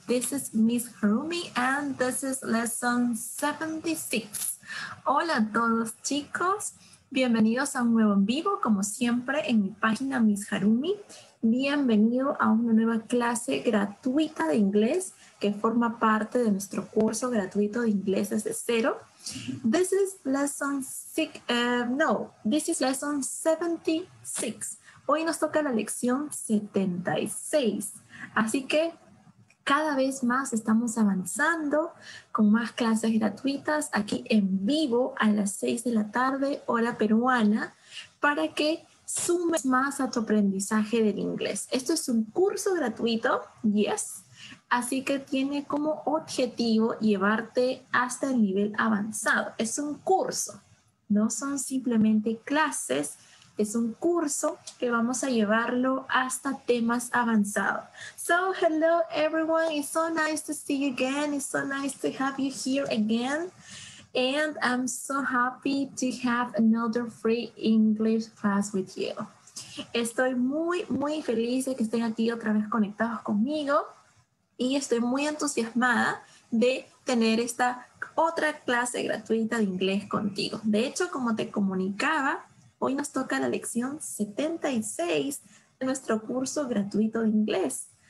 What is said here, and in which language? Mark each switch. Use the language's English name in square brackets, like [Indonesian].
[English] This is Miss Harumi and this is lesson 76. [Spanish] Hola a todos, chicos. Bienvenidos a un nuevo en vivo, como siempre, en mi página Miss Harumi. Bienvenido a una nueva clase gratuita de inglés que forma parte de nuestro curso gratuito de inglés desde cero. [English] This is lesson six, this is lesson 76. [Spanish] Hoy nos toca la lección 76. Así que cada vez más estamos avanzando con más clases gratuitas aquí en vivo a las 6 de la tarde, hora peruana, para que sumes más a tu aprendizaje del inglés. Esto es un curso gratuito, yes. Así que tiene como objetivo llevarte hasta el nivel avanzado. Es un curso, no son simplemente clases. Es un curso que vamos a llevarlo hasta temas avanzados. [English] So, hello everyone. It's so nice to see you again. It's so nice to have you here again. And I'm so happy to have another free English class with you. [Spanish] Estoy muy, muy feliz de que estén aquí otra vez conectados conmigo. Y estoy muy entusiasmada de tener esta otra clase gratuita de inglés contigo. De hecho, como te comunicaba, hoy nos toca la lección 76 de nuestro curso gratuito de inglés.